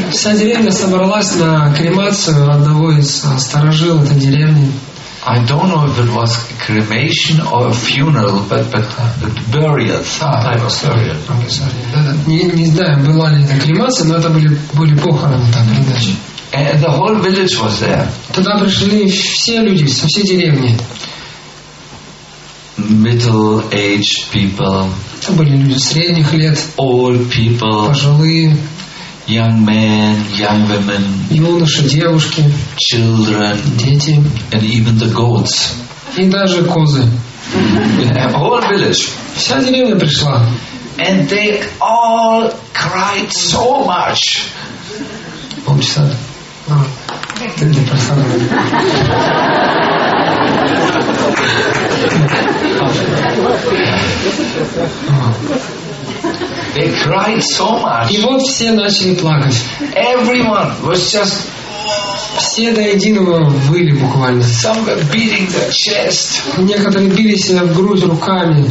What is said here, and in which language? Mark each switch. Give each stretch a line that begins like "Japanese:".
Russian: Вся деревня собралась на кремацию одного из старожил этой деревни.
English: I don't know if it was cremation or a funeral, but burial, some type of burial.
Russian: Не знаю, была ли это кремация, но это были похороны там, иначе.
English: And the whole village was there.
Russian: Туда пришли все люди со всей деревни.
English: Middle-aged people.
Russian: Это были люди средних лет.
English: Old people.
Russian: Пожилые.
English: Young men, young women,
Russian: юноши, девушки,
English: children,
Russian: дети,
English: and even the goats.
Russian: И даже козы.
English: Whole village.
Russian: Вся деревня пришла.
English: And they all cried so much.
Russian: Полчаса. Ты не просто.
English: They cried so much.
Russian: И вот все начали плакать.
English: Everyone was just.
Russian: Все до единого выли буквально.
English: Some were beating their chest.
Russian: Некоторые били себя в грудь руками.